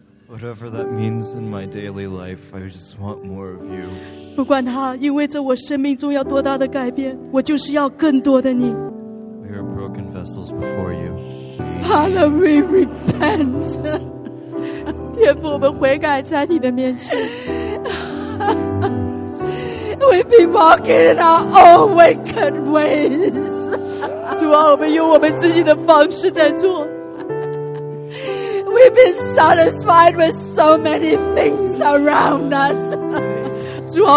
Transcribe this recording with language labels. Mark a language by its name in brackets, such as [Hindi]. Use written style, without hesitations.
[English] Whatever that means in my daily life, I just want more of you. [Chinese] 不管它意味着我生命中要多大的改变，我就是要更多的你。 [English] We are broken vessels before you. Father, we repent. [Chinese] 天父，我们悔改在你的面前。 [English] We've been walking in our own wicked ways. [Chinese] 主啊，我们用我们自己的方式在做。 [English] We've been satisfied with so many things around us.